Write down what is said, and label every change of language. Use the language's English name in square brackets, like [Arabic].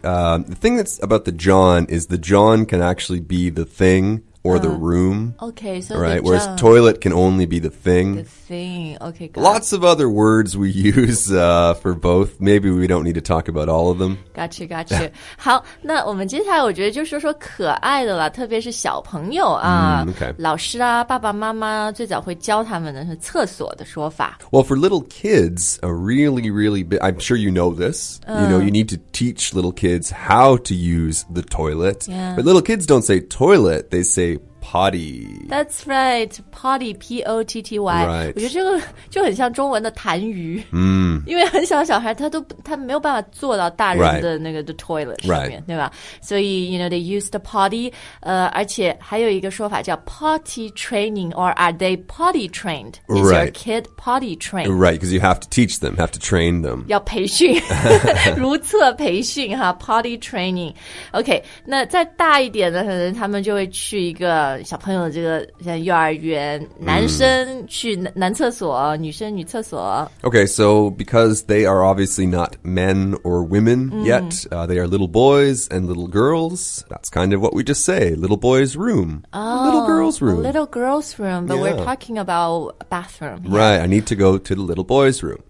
[English] The thing that's about the John is the John can actually be the thing or the room. Okay, so right? the John. Whereas toilet can only be the thing. Okay, gotcha. Lots of other words we use for both. Maybe we don't need to talk about all of them. Gotcha, gotcha. [Chinese] 好，那我们接下来我觉得就说说可爱的了，特别是小朋友啊， [English] okay. [Chinese] 老师啊，爸爸妈妈最早会教他们的是厕所的说法。 [English] Well, for little kids, a really, really big, I'm sure you know this. You know, you need to teach little kids how to use the toilet. Yeah. But little kids don't say toilet, they say potty. That's right, potty, P-O-T-T-Y. Right. [Chinese] 我觉得这个就很像中文的痰盂。嗯。因为很小的小孩他没有办法坐到大人的那个 the toilet 上面、 [English] right. [Chinese] 对吧所以 [English] you know, they use the potty, [Chinese] 而且还有一个说法叫 [English] potty training, or are they potty trained? Is right. your kid potty trained? Right, because you have to teach them, have to train them. [Chinese] 要培训。如厕培训哈 potty training. Okay, 那再大一点的可能他们就会去一个小朋友的这个像幼儿园男生去男厕所、mm. 女生女厕所 [English] Okay, so because they are obviously not men or women yet、mm. They are little boys and little girls That's kind of what we just say Little boys room、 oh, Little girls room Little girls room But、yeah. we're talking about bathroom、 yeah. Right, I need to go to the little boys room